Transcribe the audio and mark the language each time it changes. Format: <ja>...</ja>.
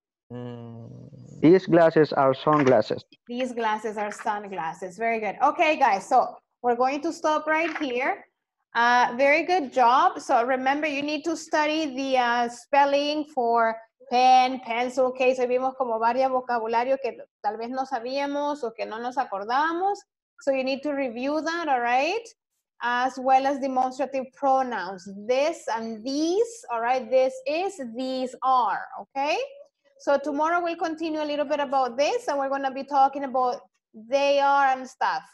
<en>Mm. These glasses are sunglasses. These glasses are sunglasses. Very good. Okay, guys, so we're going to stop right here. Very good job. So remember, you need to study the spelling for pen, pencil, case.</en> <es>Hoy vimos como varias vocabulario que tal vez no sabíamos o que no nos acordábamos.</es> <en>So you need to review that, all right? As well as demonstrative pronouns. This and these, all right? This is, these are, okay? So tomorrow we'll continue a little bit about this and we're going to be talking about they are and stuff.</en>